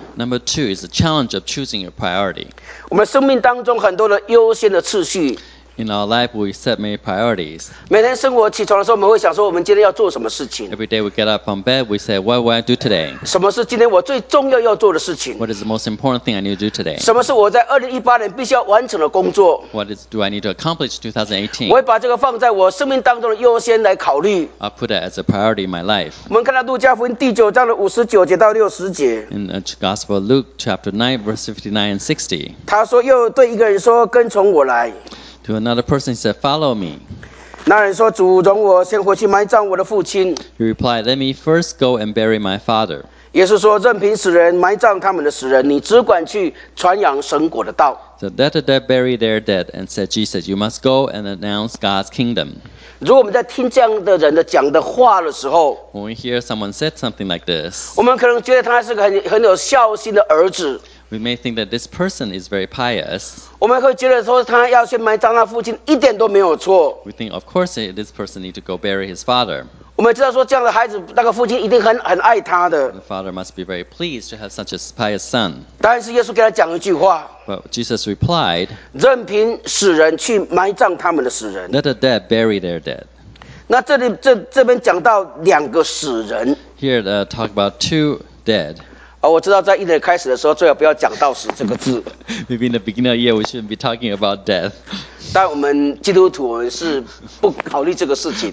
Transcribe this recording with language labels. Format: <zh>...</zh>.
<en>Number two is the challenge of choosing your priority.</en> <zh>我们生命当中很多的优先的次序。</zh> <en>In our life, we set many priorities.</en> <zh>每天生活起床的时候，我们会想说，我们今天要做什么事情。</zh> <en>Every day we get up from bed, we say, what will I do today?</en> <zh>什么是今天我最重要要做的事情？</zh> <en>What is the most important thing I need to do today?</en> <zh>什么是我在2018年必须要完成的工作？</zh> <en>What is, do I need to accomplish 2018?</en> <zh>我会把这个放在我生命当中的优先来考虑。</zh> <en>I put it as a priority in my life.</en> <zh>我们看到路加福音第九章的五十九节到六十节。</zh> <en>In the Gospel of Luke, chapter 9, verse 59 and 60.</en> <zh>他说，又对一个人说，跟从我来。</zh> <en>To another person, he said, follow me.</en> <zh>那人说，主，容我先回去埋葬我的父亲。</zh> <en>He replied, let me first go and bury my father.</en> <zh>耶稣说，任凭死人埋葬他们的死人，你只管去传扬神国的道。</zh> <en>So let the dead bury their dead, and said Jesus, you must go and announce God's kingdom.</en> <zh>如果我们在听这样的人的讲的话的时候，</zh> <en>when we hear someone said something like this,</en> <zh>我们可能觉得他是个 很有孝心的儿子。</zh> <en>We may think that this person is very pious.</en> <zh>我们会觉得说他要去埋葬他父亲一点都没有错。</zh> <en>We think, of course, this person needs to go bury his father.</en> <zh>我们知道说这样的孩子，那个父亲一定很爱他的。</zh> <en>The father must be very pleased to have such a pious son.</en> <zh>但是耶稣给他讲一句话。</zh> <en>But Jesus replied,</en> <zh>任凭死人去埋葬他们的死人。</zh> <en>Let the dead bury their dead.</en> <zh>那这里这边讲到两个死人。</zh> <en>Here they talk about two dead.</en> <zh>我知道在一年开始的时候最好不要讲到死这个字。</zh> <en>Maybe in the beginning of the year we shouldn't be talking about death.</en> <zh>但我们基督徒我们是不考虑这个事情。</zh>